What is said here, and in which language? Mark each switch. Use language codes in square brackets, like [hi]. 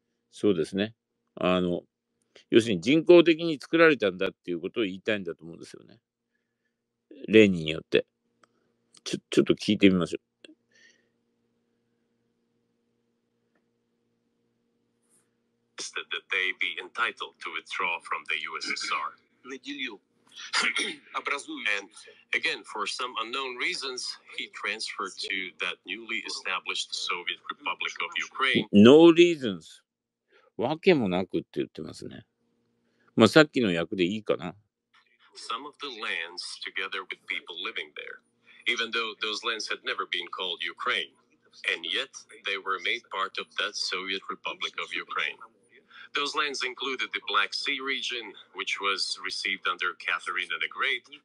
[ja] そうですね。要するに人工的に作られたんだっていうことを言いたいんだと思うんですよね。レーニンによって。ちょっと聞いてみましょう。 [en] That they be entitled to withdraw from the USSR. And again, for some unknown reasons, he transferred to that newly established Soviet Republic of Ukraine. No reasons. [ja] わけもなくって言ってますね。まあさっきの訳でいいかな。 [en] Some of the lands together with people living there, even though those lands had never been called Ukraine, and yet they were made part of that Soviet Republic of Ukraine. Those lands included the Black Sea region, which was received under Catherine the Great.